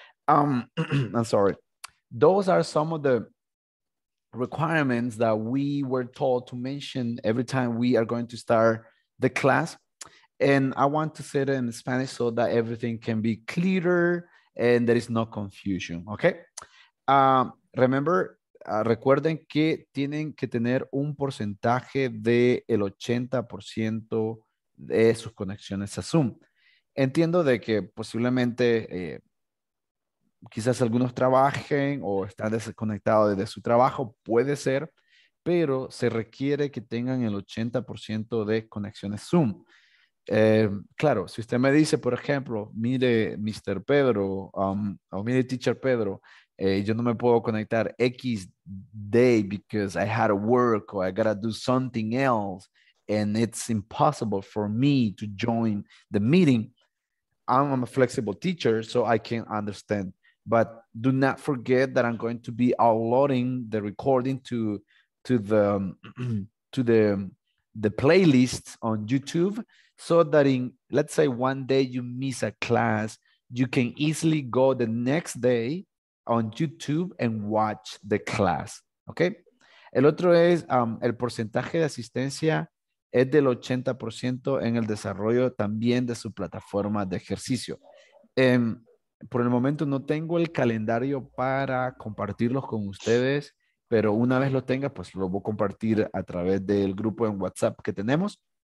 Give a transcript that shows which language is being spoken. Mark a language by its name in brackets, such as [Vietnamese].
[English] I'm sorry. Those are some of the requirements that we were told to mention every time we are going to start the class. And I want to say it in Spanish so that everything can be clearer and there is no confusion, okay? [Spanish] Recuerden que tienen que tener un porcentaje del 80% de sus conexiones a Zoom. Entiendo de que posiblemente quizás algunos trabajen o están desconectados desde su trabajo, puede ser, pero se requiere que tengan el 80% de conexiones Zoom. Claro, si usted me dice, por ejemplo, mire, Mr. [English] Pedro, [Spanish] o mire, Teacher Pedro, yo no me puedo conectar X [English] day because I had to work or I gotta do something else and it's impossible for me to join the meeting. I'm a flexible teacher, so I can understand. But do not forget that I'm going to be uploading the recording to the playlist on YouTube so that in, let's say one day you miss a class, you can easily go the next day on YouTube and watch the class, okay? [Spanish] El otro es, el porcentaje de asistencia es del 80% en el desarrollo también de su plataforma de ejercicio. Por el momento no tengo el calendario para compartirlos con ustedes, pero una vez lo tenga, pues lo voy a compartir a través del grupo en WhatsApp que tenemos.